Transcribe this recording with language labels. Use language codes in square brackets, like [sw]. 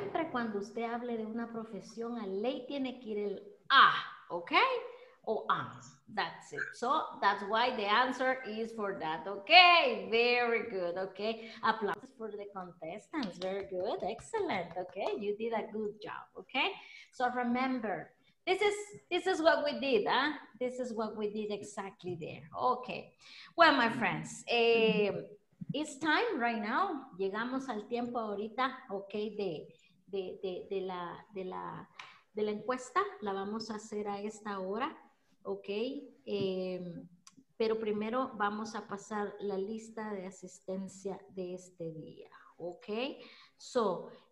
[es] Cuando usted hable de una profesión, a ley tiene que ir el ah, ¿ok? [en] O am. That's it. So, that's why the answer is for that. Ok, very good. Ok, aplausos for the contestants. Very good. Excellent. Ok, you did a good job. Ok, so remember, this is what we did. Huh? This is what we did exactly there. Ok, well, my friends, it's time right now. [es] Llegamos al tiempo ahorita, ok, de la encuesta, la vamos a hacer a esta hora, ok, pero primero vamos a pasar la lista de asistencia de este día, ok, so,